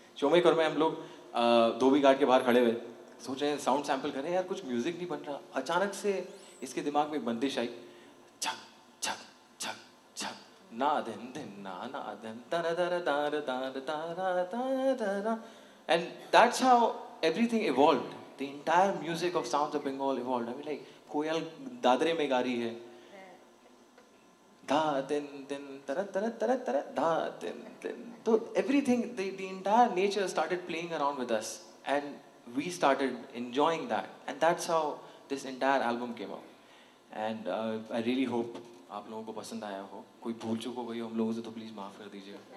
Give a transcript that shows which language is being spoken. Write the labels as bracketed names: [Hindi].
[Hindi] शोमेक और मैं हम लोग धोबी घाट के बाहर खड़े हुए सोच रहे हैं साउंड सैम्पल करें यार, कुछ म्यूजिक नहीं बन रहा. अचानक से इसके दिमाग में एक बंदिश आई, छक छक छक छक ना दिन दिन ना ना दिन तारा तारा तारा तारा तारा तारा, [English] and that's how everything evolved. The entire music of sounds of Bengal evolved. I mean, like [Hindi] koyal dadre mein ga rahi hai, [English] da din din tara tara tara tara da din din. So everything, the entire nature started playing around with us, and we started enjoying that, and that's how this entire album came out. And I really hope [Hindi] आप लोगों को पसंद आया हो. कोई भूल चूक हो गई हम लोगों से तो प्लीज माफ कर दीजिए.